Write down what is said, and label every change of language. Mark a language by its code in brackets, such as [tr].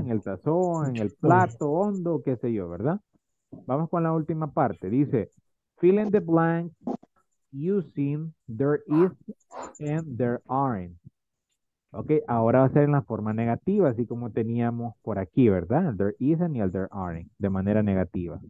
[es] En el tazón, en el plato hondo, qué sé yo, ¿verdad? Vamos con la última parte. [en] Dice, fill in the blank using there is and there aren't. [es] Ok, ahora va a ser en la forma negativa, así como teníamos por aquí, ¿verdad? [en] There isn't and there aren't, [es] de manera negativa.